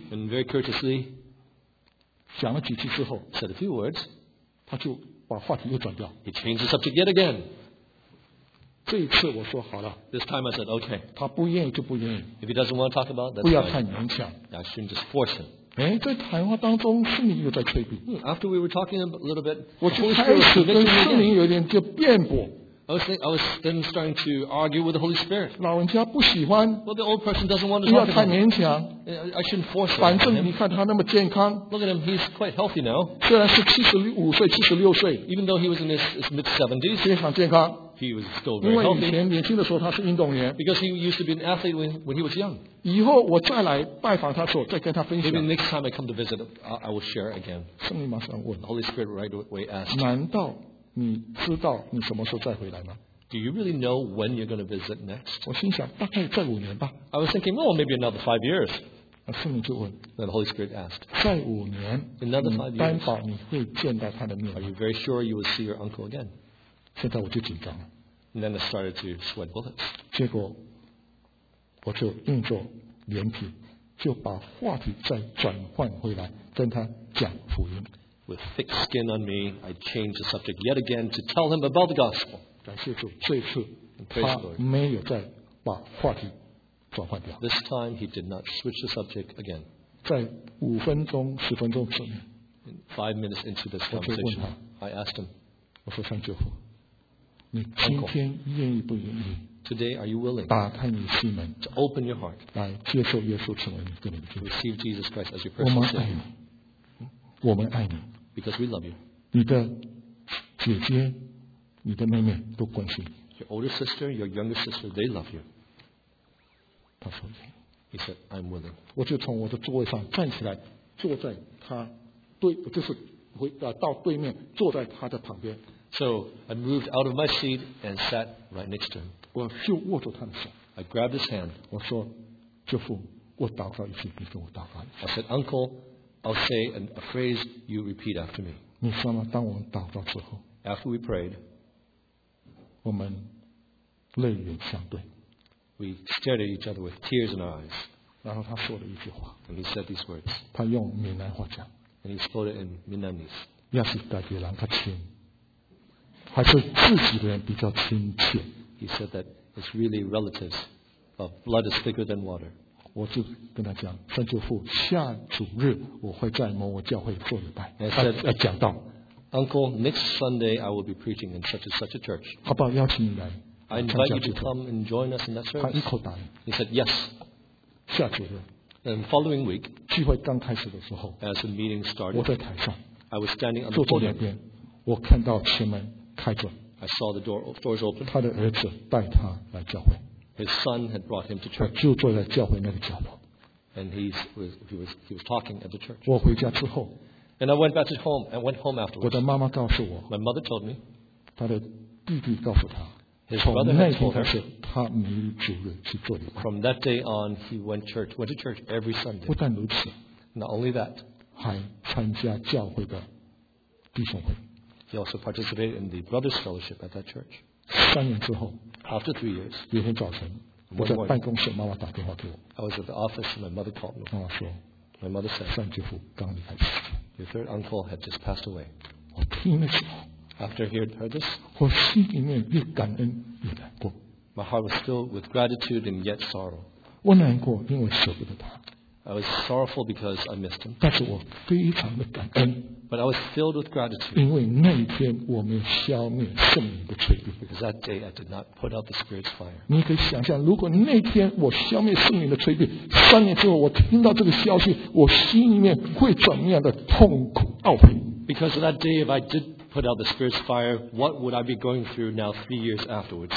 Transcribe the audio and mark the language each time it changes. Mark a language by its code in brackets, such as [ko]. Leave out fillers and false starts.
[en] And very courteously. [zh] 讲了几句之后。 [en] Said a few words. [zh] 他就把话题又转掉。 [en] He changed the subject yet again. [zh] 这一次我说好了。 [en] This time I said okay. [zh] 他不愿意就不愿意。 [en] If he doesn't want to talk about, that's fine. [zh] 不要太勉强。 [en] I shouldn't just force him. [zh] 哎，在谈话当中，圣灵又在催逼。 [en] After we were talking a little bit, [zh] 我就开始跟圣灵有点就辩驳。 [en] I was then starting to argue with the Holy Spirit. [zh] 老人家不喜欢。 [en] Well, the old person doesn't want to talk about it. [zh] 不要太勉强。 [en] I shouldn't force him. [zh] 反正你看他那么健康。 [en] Look at him, he's quite healthy now. [zh] 虽然是75岁、76岁。 [en] Even though he was in his mid-70s. [zh] 非常健康。 [en] He was still very healthy. [zh] 因为以前年轻的时候他是运动员。 [en] Because he used to be an athlete when he was young. [zh] 以后我再来拜访他的时候再跟他分享。 [en] Maybe next time I come to visit, I will share again. [zh] 圣灵马上问。 [en] The Holy Spirit right away asked. [zh] 难道你知道你什么时候再回来吗？ [en] Do you really know when you're going to visit next? [zh] 我心想大概再五年吧。 [en] I was thinking, oh, maybe another 5 years. [zh] 圣灵就问。 [en] Then the Holy Spirit asked. [zh] 再五年。 [en] Another 5 years. [zh] 担保你会见到他的面。 [en] Are you very sure you will see your uncle again? [zh] 现在我就紧张了。 [en] And then I started to sweat bullets. [zh] 结果我就硬着脸皮就把话题再转换回来跟他讲福音。 [en] With thick skin on me, I changed the subject yet again to tell him about the gospel. [zh] 感谢主，这一次他没有再把话题转换掉。 [en] This time he did not switch the subject again. [zh] 在五分钟、十分钟之内 [en] 5 minutes into this conversation, I asked him, [zh] 我说上救父你今天愿意不愿意 [en] Today, are you willing [zh] 打开你心门 [en] to open your heart [zh] 来接受耶稣成为你个人的 [en] receive Jesus Christ as your personal [zh] 我们爱你我们爱你 [en] because we love you [zh] 你的姐姐你的妹妹都关心 [en] your older sister your younger sister they love you [zh] 他说 [en] he said I'm willing [zh] 我就从我的座位上站起来坐在他对就是回到对面坐在他的旁边 [en] So I moved out of my seat and sat right next to him. [zh] 我就握住他的手。 [en] I grabbed his hand. [zh] 我说，舅父，我祷告一句，你跟我祷告一句。 [en] I said, Uncle, I'll say a phrase you repeat after me. [zh] 你说吗？当我们祷告之后。 [en] After we prayed, [zh] 我们泪眼相对。 [en] We stared at each other with tears in our eyes. [zh] 然后他说了一句话。 [en] And he said these words. [zh] 他用闽南话讲。 [en] And he spoke it in Minnanese. [zh] 要是大家让他听。还是自己的人比较亲切。 [en] He said that it's really relatives, but blood is thicker than water. [zh] 我就跟他讲，三舅父，下主日我会在某某教会做礼拜。 [en] And said, [zh] 讲道。 [en] Uncle, next Sunday I will be preaching in such and such a church. [zh] 好不好邀请你来 [en] ？I invite you to come and join us in that service. [zh] 他一口答应。 [en] He said yes. [zh] 下主日。 [en] And following week, [zh] 聚会刚开始的时候 [en] ，as the meeting started, [zh] 我在台上 [en] ，I was standing on the podium. [zh] 坐左边，我看到前门。开着 [en] I saw the doors open. [zh] 他的儿子带他来教会。 [en] His son had brought him to church. [zh] 他就坐在教会那个角落。 [en] And he was talking at the church. [zh] 我回家之后。 [en] And I went back to home. I went home afterwards. [zh] 我的妈妈告诉我。 [en] My mother told me. [zh] 他的弟弟告诉他。 [en] His brother had told her. [zh] 从那天开始，他每主日去做礼拜。 [en] From that day on, he went to church every Sunday. [zh] 不但如此。 [en] Not only that. [zh] 还参加教会的弟兄会。 [en] He also participated in the brothers' fellowship at that church. [zh] 3年之后 [en] After 3 years, [zh] 有一天早晨，我在办公室，妈妈打电话给我。 [en] I was at the office and my mother called me. [zh] 妈妈说 [en] My mother said, [zh] 三舅父刚离开。 [en] Your third uncle had just passed away. [zh] 我听了之后 [en] After he heard this, [zh] 我心里面又感恩又难过。 [en] My heart was filled with gratitude and yet sorrow. [zh] 我难过，因为舍不得他。 [en] I was sorrowful because I missed him. [zh] 但是我非常的感恩。 [en] But I was filled with gratitude. [zh] 因为那一天我没有消灭圣灵的炊烟。 [en] Because that day I did not put out the Spirit's fire. [zh] 你可以想象，如果那天我消灭圣灵的炊烟，三年之后我听到这个消息，我心里面会怎么样的痛苦懊悔 [en] ？Because of that day, if I did put out the Spirit's fire, what would I be going through now 3 years afterwards?